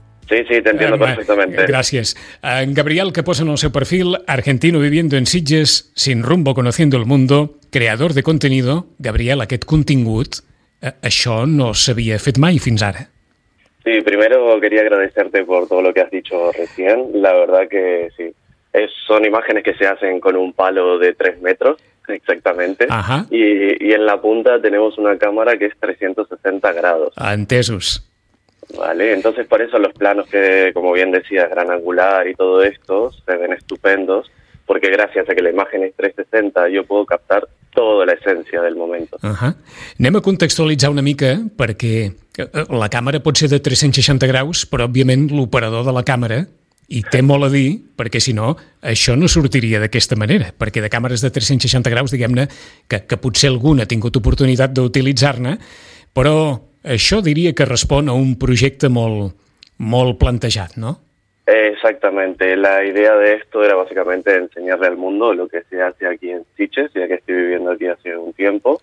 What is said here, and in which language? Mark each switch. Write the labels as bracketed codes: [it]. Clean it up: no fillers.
[es] Sí, sí, te entiendo perfectamente. Gracias. [ca] En Gabriel, que posa en el seu perfil, [es] argentino viviendo en Sitges, sin rumbo, conociendo el mundo, creador de contenido. [ca] Gabriel, aquest contingut, això no s'havia fet mai fins ara. [es] Sí, primero quería agradecerte por todo lo que has dicho recién. La verdad que sí. Son imágenes que se hacen con un palo de 3 metros. Exactamente. Ajá. Y en la punta tenemos una cámara que es 360 grados. [ca] Entesos. [es] Vale, entonces por eso los planos que, como bien decías, gran angular y todo esto, se ven estupendos, porque gracias a que la imagen es 360 yo puedo captar toda la esencia del momento. Ajá. [ca] Anem a contextualitzar una mica, perquè la càmera pot ser de 360 graus, però òbviament l'operador de la càmera i té molt a dir, perquè si no, això no sortiria d'aquesta manera, perquè de càmeres de 360 graus, diguem-ne, que potser algun ha tingut oportunitat d'utilitzar-ne, però això diria que respon a un projecte molt, molt plantejat, no? [es] Exactamente. La idea de esto era básicamente enseñarle al mundo lo que se hace aquí en Sitges, ya que estoy viviendo aquí hace un tiempo.